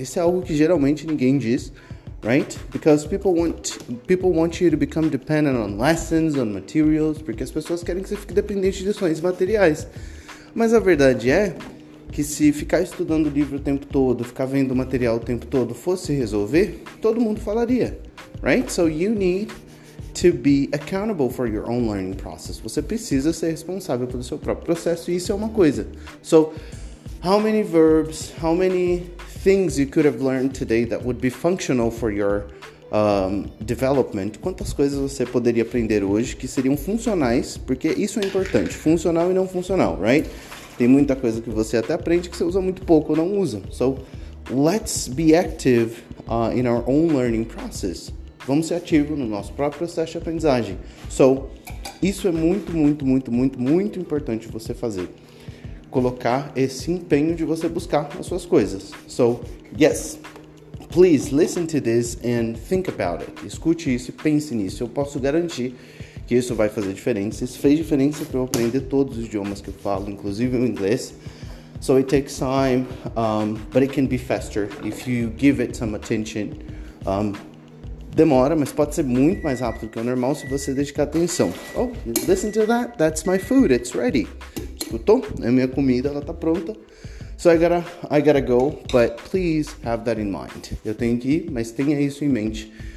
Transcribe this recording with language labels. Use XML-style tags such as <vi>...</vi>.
<pt>Isso é algo que geralmente ninguém diz, right?</pt> <en>Because people want you to become dependent on lessons, on materials,</en> <pt>porque as pessoas querem que você fique dependente de lições materiais. Mas a verdade é que se ficar estudando livro o tempo todo, ficar vendo material o tempo todo fosse resolver, todo mundo falaria, right?</pt> <en>So you need to be accountable for your own learning process.</en> <pt>Você precisa ser responsável pelo seu próprio processo, e isso é uma coisa.</pt> <en>So, how many verbs, how many things you could have learned today that would be functional for your development?</en> <pt>Quantas coisas você poderia aprender hoje que seriam funcionais? Porque isso é importante, funcional e não funcional, right? Tem muita coisa que você até aprende que você usa muito pouco ou não usa.</pt> <en>So, let's be active in our own learning process.</en> <pt>Vamos ser ativos no nosso próprio processo de aprendizagem. So, isso é muito, muito, muito, muito, muito importante você fazer. Colocar esse empenho de você buscar as suas coisas.</pt> <en>So, yes, please listen to this and think about it.</en> <pt>Escute isso e pense nisso. Eu posso garantir que isso vai fazer diferença. Isso fez diferença para eu aprender todos os idiomas que eu falo, inclusive o inglês.</pt> <en>So, it takes time, but it can be faster if you give it some attention.</en> <pt>Demora, mas pode ser muito mais rápido que o normal se você dedicar atenção.</pt> <en>Oh, listen to that. That's my food. It's ready.</en> <pt>Escutou? É minha comida. Ela tá pronta.</pt> <en>So I gotta go, but please have that in mind.</en> <pt>Eu tenho que ir, mas tenha isso em mente.</pt>